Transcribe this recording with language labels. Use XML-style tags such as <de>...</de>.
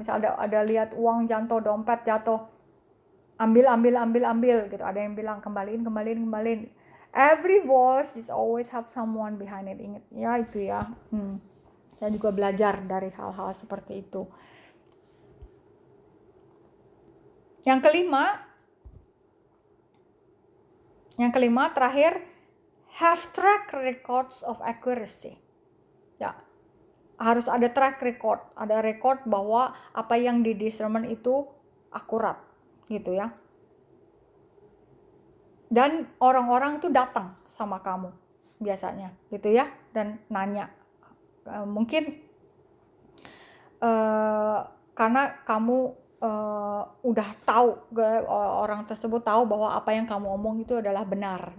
<id>Misal ada lihat uang jatuh, dompet jatuh. Ambil, ambil, ambil, ambil, gitu. Ada yang bilang, kembaliin, kembaliin, kembaliin.</id> <en>Every voice is always have someone behind it.</en> <id>Ingat, ya, itu ya. Saya juga belajar dari hal-hal seperti itu. Yang kelima, terakhir,</id> <en>have track records of accuracy.</en> <id>Ya, harus ada track record. Ada record bahwa apa yang di discernment itu akurat. Gitu ya. Dan orang-orang itu datang sama kamu biasanya, gitu ya, dan nanya. Mungkin karena kamu udah tahu, orang tersebut tahu bahwa apa yang kamu omong itu adalah benar.</id>